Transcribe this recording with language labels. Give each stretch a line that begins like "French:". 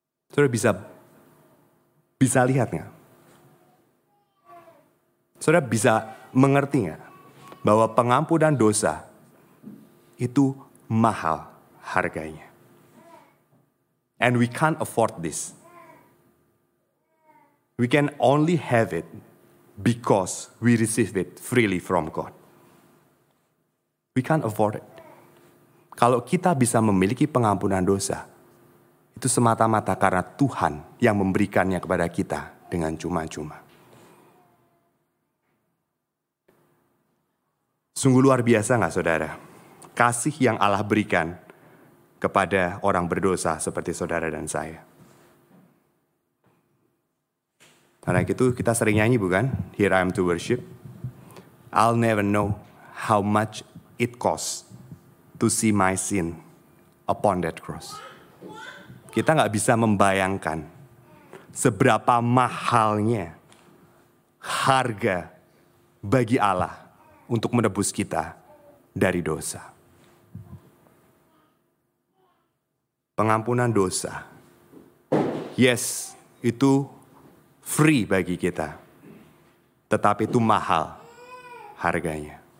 Indonesian: Saudara bisa lihat gak? Saudara bisa mengerti gak? Bahwa pengampunan dosa itu mahal harganya.
English: And we can't afford this. We can only have it because we receive it freely from God. We can't afford it.
Indonesian: Kalau kita bisa memiliki pengampunan dosa, itu semata-mata karena Tuhan yang memberikannya kepada kita dengan cuma-cuma. Sungguh luar biasa gak saudara? Kasih yang Allah berikan kepada orang berdosa seperti saudara dan saya. Karena itu kita sering nyanyi bukan?
English: Here I am to worship. I'll never know how much it costs to see my sin upon that cross.
Indonesian: Kita gak bisa membayangkan seberapa mahalnya harga bagi Allah untuk menebus kita dari dosa. Pengampunan dosa. Yes, itu free bagi kita, tetapi itu mahal harganya.